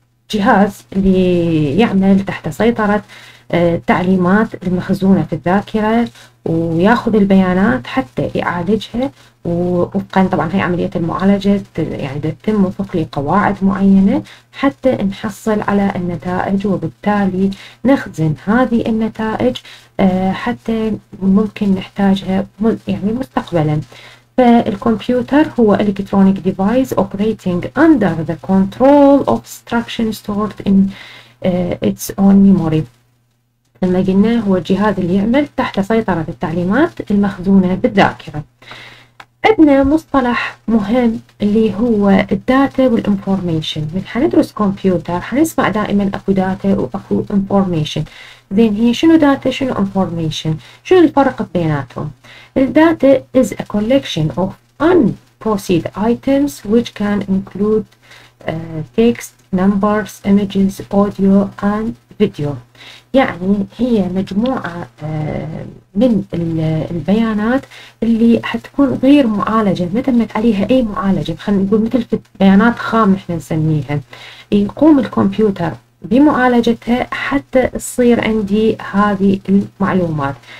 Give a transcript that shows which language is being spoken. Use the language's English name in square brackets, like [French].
[Arabic] جهاز اللي يعمل تحت سيطرة التعليمات المخزونة في الذاكرة، ويأخذ البيانات حتى يعالجها، وفقاً طبعاً هي عملية المعالجة يعني تتم وفق لقواعد معينة حتى نحصل على النتائج، وبالتالي نخزن هذه النتائج حتى ممكن نحتاجها يعني مستقبلاً. فالكمبيوتر هو [English] electronic device operating under the control of instructions stored in its own memory. [Arabic] لما قلنا هو الجهاز اللي يعمل تحت سيطرة التعليمات المخزونة بالذاكرة. عندنا مصطلح مهم اللي هو data والinformation. من حندرس كمبيوتر حنسمع دائما اكو data واكو information. زين، هي شنو داتا شنو انفورميشن؟ شنو الفرق بيناتهم؟ الداتا [English] is a collection of unprocessed items which can include text, numbers, images, audio and video. [Arabic] يعني هي مجموعة من البيانات اللي حتكون غير معالجة، ما تمت عليها اي معالجة، خلينا نقول مثل بيانات خام احنا نسميها. يقوم الكمبيوتر بمعالجتها حتى تصير عندي هذه المعلومات.